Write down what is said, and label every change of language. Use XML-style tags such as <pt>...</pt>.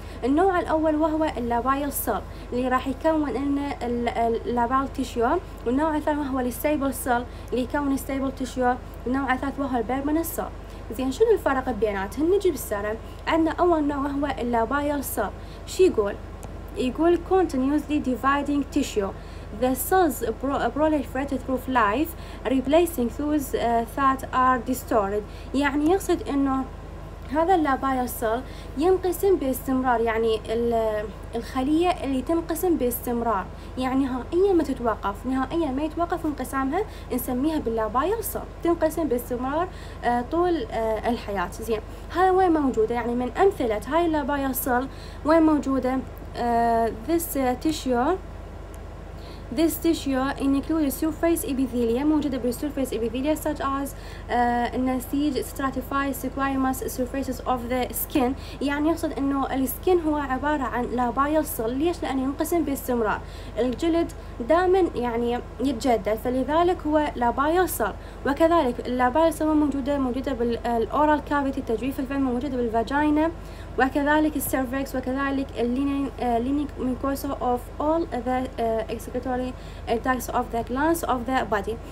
<ar>النوع الاول وهو اللابايل سيل اللي راح يكون لنا اللابايل تيشيو، والنوع الثاني وهو الستيبل سيل اللي يكون الستيبل تيشيو، والنوع الثالث وهو البيرمننت سيل. زين شنو الفرق بيناتهم؟ نجي بالسرعة. عندنا اول نوع وهو اللابايل سيل، شو يقول</ar> <en>continuously dividing tissue. The cells proliferate through life replacing those that are distorted.</en> <ar>يعني يقصد انه هذا اللابايل سيل ينقسم باستمرار، يعني الخلية اللي تنقسم باستمرار يعني نهائيا ما تتوقف، نهائيا ما يتوقف انقسامها، نسميها باللابايل سيل، تنقسم باستمرار طول الحياة. زين هذا وين موجودة؟ يعني من أمثلة هاي اللابايل سيل وين موجودة؟</ar> <en>this tissue This tissue includes surface epithelia</en> <ar>موجودة</ar> <en>بالsurface epithelia such as</en> <ar>النسيج</ar> <en>stratified squamous surfaces of the skin.</en> <ar>يعني يقصد إنه السكين هو عبارة عن</ar> <en>labial cell.</en> <ar>ليش؟ لأنه ينقسم باستمرار. الجلد دائما يعني يتجدد، فلذلك هو</ar> <en>labial cell.</en> <ar>وكذلك</ar> <en>labial cell</en> <ar>موجودة بال</ar> <en>oral cavity</en> <ar>تجويف الفم، موجودة بالvagina وكذلك السيرفكس وكذلك</ar> <en>اللينينج mucosa of all the excretory ducts of the glands of the body.</en>